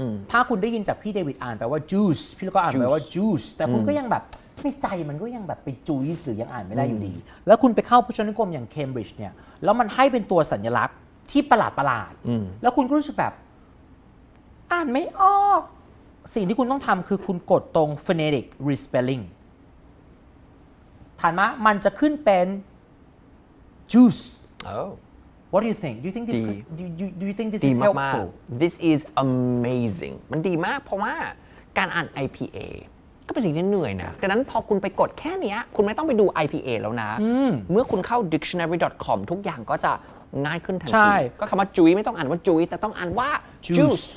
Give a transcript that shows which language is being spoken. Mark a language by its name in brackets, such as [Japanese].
[Thai] ถ้าคุณได้ยินจากพี่เดวิดอ่านแปลว่า juice พี่ก็อ่านแปลว่า juice แต่คุณก็ยังแบบในใจมันก็ยังแบบไป juice หรือยังอ่านไม่ได้อยู่ดีแล้วคุณไปเข้าพจนานุกรมอย่าง Cambridge เนี่ยแล้วมันให้เป็นตัวสัญลักษณ์ที่ประหลาดๆแล้วคุณก็รู้สึกแบบอ่านไม่ออกสิ่งที่คุณต้องทำคือคุณกดตรง phonetic respelling ถัดมามันจะขึ้นเป็น juice [English] oh what do you think do you think this is helpful [Thai] มาก [English] this is amazing [Thai] มันดีมากเพราะว่าการอ่าน IPA ก็เป็นสิ่งที่เหนื่อยนะดังนั้นพอคุณไปกดแค่นี้คุณไม่ต้องไปดู IPA แล้วนะเมื่อคุณเข้า dictionary.com ทุกอย่างก็จะง่ายขึ้นทัน ทีก็คำว่าจุ้ยไม่ต้องอ่านว่าจุ้ยแต่ต้องอ่านว่า juice